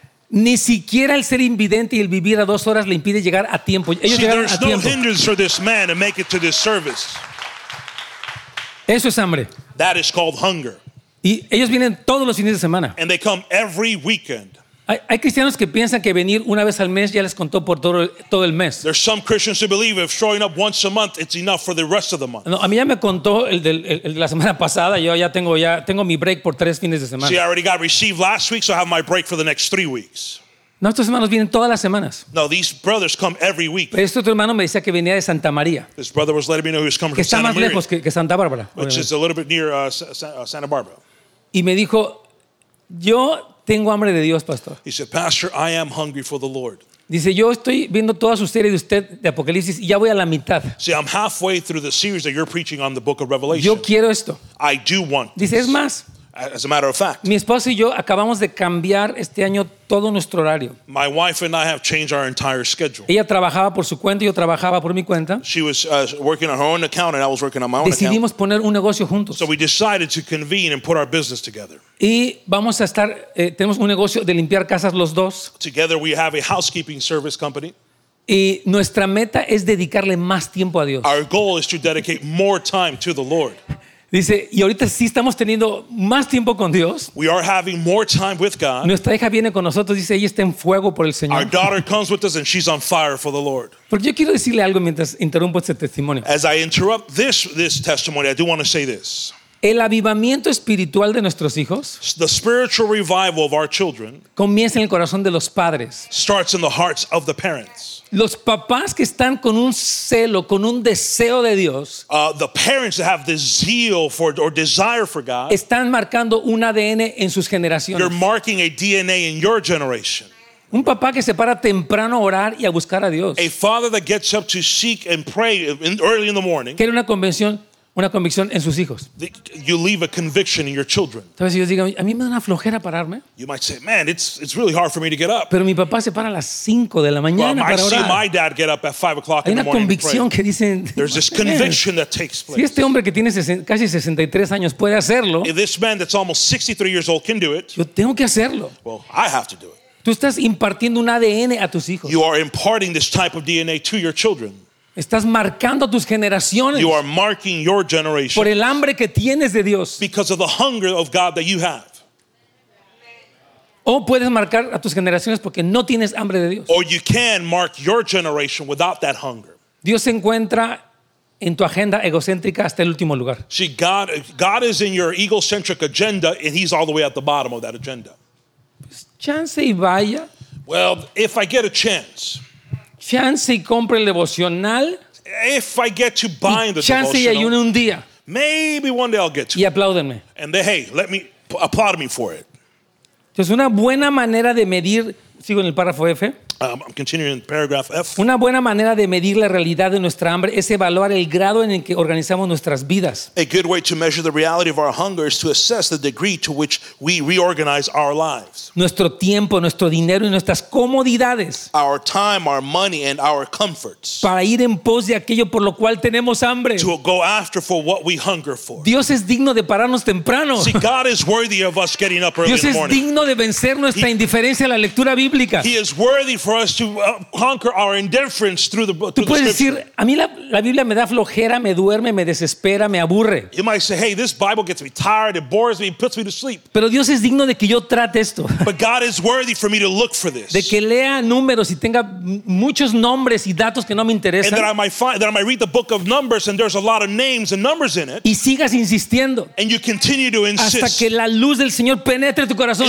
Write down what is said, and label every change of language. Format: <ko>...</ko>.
<es>Ni siquiera el ser invidente y el vivir a 2 horas le impide llegar a tiempo. Ellos</es> <en>See,</en> <es>llegaron a tiempo.</es> <en>No hindrance for this man to make it to this service.</en> <es>Eso es hambre.</es> <en>That is called hunger.</en> <es>Y ellos vienen todos los fines de semana.</es> <en>And they come every weekend.</en> <es>Hay cristianos que piensan que venir una vez al mes ya les contó por todo el mes.</es> <en>There's some Christians who believe if showing up once a month it's enough for the rest of the month.</en> <es>No, a mí ya me contó el de la semana pasada. Yo ya tengo mi break por 3 fines de semana.</es> <en>See, I already got received last week, so I have my break for the next 3 weeks.</en> <es>No, estos hermanos vienen todas las semanas.</es> <en>No, these brothers come every week.</en> <es>Pero este otro hermano me decía que venía de Santa María.</es> <en>This brother was letting me know he was coming from Santa</en> <es>María. Que está más lejos que Santa Bárbara.</es> <en>Which is a little bit near Santa Barbara.</en> <es>Y me dijo, yo tengo hambre de Dios, pastor.</es> <en>He said, Pastor, I am hungry for the Lord.</en> <es>Dice, yo estoy viendo toda su serie de usted de Apocalipsis y ya voy a la mitad.</es> <en>See, I'm halfway through the series that you're preaching on the book of Revelation.</en> <es>Yo quiero esto.</es> <en>I do want this.</en> <es>Dice, es más.</es> <en>As a matter of fact.</en> <es>Mi esposa y yo acabamos de cambiar este año todo nuestro horario.</es> <en>My wife and I have changed our entire schedule.</en> <es>Ella trabajaba por su cuenta y yo trabajaba por mi cuenta.</es> <en>She was working on her own account and I was working on my own account.</en> <es>Decidimos poner un negocio juntos.</es> <en>So we decided to convene and put our business together.</en> <es>Y vamos a estar tenemos un negocio de limpiar casas los dos.</es> <en>Together we have a housekeeping service company.</en> <es>Y nuestra meta es dedicarle más tiempo a Dios.</es> <en>Our goal is to dedicate more time to the Lord.</en> <es>Dice, y ahorita sí estamos teniendo más tiempo con Dios.</es> <en>We are having more time with God.</en> <es>Nuestra hija viene con nosotros, dice, ella está en fuego por el Señor.</es> <en>Our daughter comes with us and she's on fire for the Lord.</en> <es>Porque yo quiero decirle algo mientras interrumpo este testimonio.</es> <en>As I interrupt this testimony, I do want to say this.</en> <es>El avivamiento espiritual de nuestros hijos,</es> <en>the spiritual revival of our children,</en> <es>comienza en el corazón de los padres.</es> <en>Starts in the hearts of the parents.</en> <es>Los papás que están con un celo, con un deseo de Dios,</es> <en>the parents that have the zeal for or desire for God,</en> <es>están marcando un ADN en sus generaciones.</es> <en>You're marking a DNA in your generation.</en> <es>Un papá que se para temprano a orar y a buscar a Dios.</es> <en>A father that gets up to seek and pray early in the morning.</en> <es>Quiere una convicción en sus hijos.</es> <en>You leave a conviction in your children.</en> <es>Entonces yo digo, a mí me da una flojera pararme.</es> <en>You might say, man, it's really hard for me to get up.</en> <es>Pero mi papá se para a las 5 de la mañana</es> <en>well,</en> <es>para orar.</es> <en>I see my dad get up at 5 o'clock</en> <es>Hay una</es> <en>in the</en> <es>convicción</es> <en>morning</en> <es>que dicen.</es> <en>There's this conviction that takes place.</en> <es>Si este hombre que tiene casi 63 años puede hacerlo.</es> <en>If this man that's almost 63 years old can do it.</en> <es>Yo tengo que hacerlo.</es> <en>Well, I have to do it.</en> <es>Tú estás impartiendo un ADN a tus hijos.</es> <en>You are imparting this type of DNA to your children.</en> <es>Estás marcando tus generaciones.</es> <en>You are marking your generation.</en> <es>Por el hambre que tienes de Dios.</es> <en>Because of the hunger of God that you have.</en> <es>O puedes marcar a tus generaciones porque no tienes hambre de Dios.</es> <en>Or you can mark your generation without that hunger.</en> <es>Dios se encuentra en tu agenda egocéntrica hasta el último lugar.</es> <en>See, God is in your egocentric agenda, and he's all the way at the bottom of that agenda.</en> <es>Pues chance y vaya.</es> <en>Well, if I get a chance.</en> <es>Chance y compre el devocional.</es> <en>If I get to buy the</en> <es>chance Chance y ayune un día.</es> <en>Maybe one day I'll get to</en> <es>y apláudenme.</es> <en>And then, hey, let me applaud me for it.</en> <es>Entonces, una buena manera de medir, sigo en el párrafo F.</es> <en>I'm continuing in paragraph F.</en> <es>Una buena manera de medir la realidad de nuestra hambre es evaluar el grado en el que organizamos nuestras vidas.</es> <en>A good way to measure the reality of our hunger is to assess the degree to which we reorganize our lives.</en> <es>Nuestro tiempo, nuestro dinero y nuestras comodidades.</es> <en>Our time, our money, and our comforts.</en> <es>Para ir en pos de aquello por lo cual tenemos hambre.</es> <en>To go after for what we hunger for.</en> <es>Dios es digno de pararnos temprano.</es> <en>See, God is worthy of us getting up early</en> <es>Dios</es> <en>in the morning.</en> <es>Dios es digno de vencer nuestra indiferencia a la lectura bíblica.</es> <en>He is worthy for us to conquer our indifference through the scripture.</en> <es>Tú puedes decir, a mí la Biblia me da flojera, me duerme, me desespera, me aburre.</es> <en>You might say, hey, this Bible gets me tired, it bores me, it puts me to sleep.</en> <es>Pero Dios es digno de que yo trate esto.</es> <en>But God is worthy for me to look for this.</en> <es>De que lea números y tenga muchos nombres y datos que no me interesan.</es> <en>And that I might read the book of Numbers and there's a lot of names and numbers in it.</en> <es>Y sigas insistiendo.</es> <en>And you continue to insist.</en> <es>Hasta que la luz del Señor penetre tu corazón.</es>